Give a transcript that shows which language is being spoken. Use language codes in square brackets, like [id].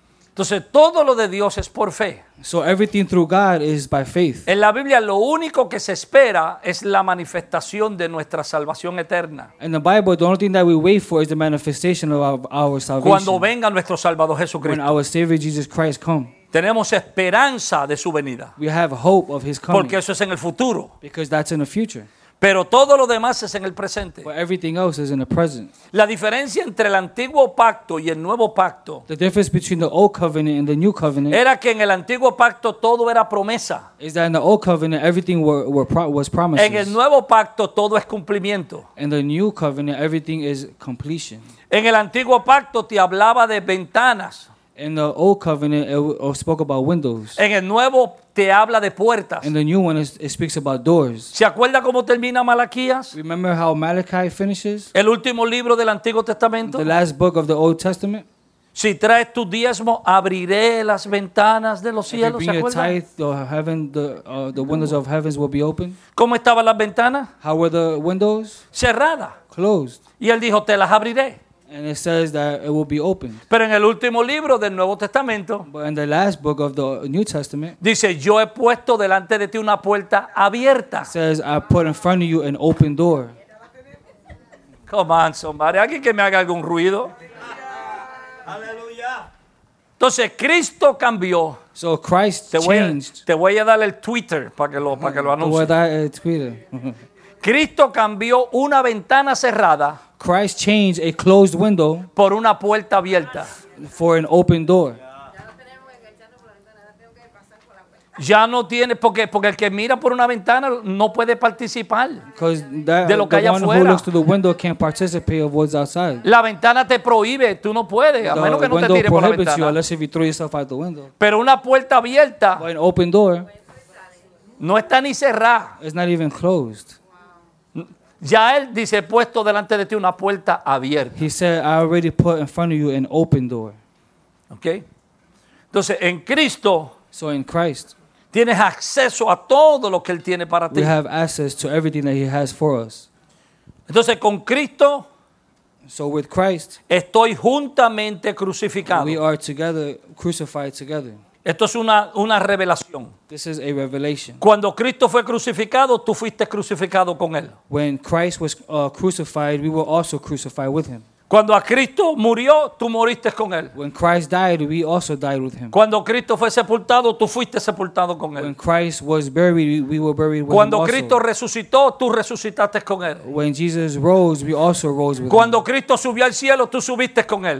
[es] Entonces todo lo de Dios es por fe. [en] So everything through God is by faith. [es] En la Biblia lo único que se espera es la manifestación de nuestra salvación eterna. [en] In the Bible, the only thing that we wait for is the manifestation of our salvation. [es] Cuando venga nuestro Salvador Jesucristo. [en] When our Savior Jesus Christ come. [es] Tenemos esperanza de su venida. [en] We have hope of his coming. [es] Porque eso es en el futuro. [en] Because that's in the future. [es] Pero todo lo demás es en el presente. [en] But everything else is in the present. [es] La diferencia entre el antiguo pacto y el nuevo pacto. [en] The difference between the old covenant and the new covenant. [es] Era que en el antiguo pacto todo era promesa. [en] Is that in the old covenant everything was promises. [es] En el nuevo pacto todo es cumplimiento. [en] In the new covenant everything is completion. [es] En el antiguo pacto te hablaba de ventanas. [en] In the old covenant it spoke about windows. [es] En el nuevo te habla de puertas. [en] In the new one it speaks about doors. [es] ¿Se acuerda cómo termina Malaquías? [en] Remember how Malachi finishes? [es] El último libro del Antiguo Testamento. [en] The last book of the Old Testament. [es] Si traes tu diezmo, abriré las ventanas de los cielos, ¿se acuerda? [en] If you bring your tithe, the windows of heavens will be open. [es] ¿Cómo estaban las ventanas? [en] How were the windows? [es] Cerrada. [en] Closed. [es] Y él dijo, te las abriré. [en] And it says that it will be opened. [es] Pero en el último libro del Nuevo Testamento. [en] But in the last book of the New Testament. [es] Dice, yo he puesto delante de ti una puerta abierta. [en] Says, I put in front of you an open door. Come on, somebody. [es] ¿Alguien que me haga algún ruido? Aleluya. Entonces, Cristo cambió. [en] So Christ changed. [es] Te voy a dar el Twitter para que lo anuncie. Voy a dar el Twitter. Cristo cambió una ventana cerrada. [en] Christ changed a closed window [es] por una puerta abierta [en] for an open door. [es] Ya no tiene, porque el que mira por una ventana no puede participar de lo que hay afuera. [en] Looks through the window can't participate of what's outside. [es] La ventana te prohíbe, tú no puedes, a menos que no te tires por la ventana. [en] You, unless if you throw yourself out the window. [es] Pero una puerta abierta, [en] an open door, [es] no está ni cerrada. [en] It's not even closed. [es] Ya él dice, puesto delante de ti una puerta abierta. [en] He said, I already put in front of you an open door. [es] Okay. Entonces, en Cristo, [en] so in Christ, [es] tienes acceso a todo lo que él tiene para ti. [en] We have access to everything that he has for us. [es] Entonces, con Cristo, [en] so with Christ, [es] estoy juntamente crucificado. [en] We are together, crucified together. [es] Esto es una revelación. [en] This is a revelation. [es] Cuando Cristo fue crucificado, tú fuiste crucificado con él. [en] When Christ was crucified, we were also crucified with him. [es] Cuando a Cristo murió, tú moriste con él. [en] When Christ died, we also died with him. [es] Cuando Cristo fue sepultado, tú fuiste sepultado con él. [en] When Christ was buried, we were buried with him. [es] Cuando Cristo resucitó, tú resucitaste con él. [en] When Jesus rose, we also rose with him. [es] Cuando Cristo subió al cielo, tú subiste con él.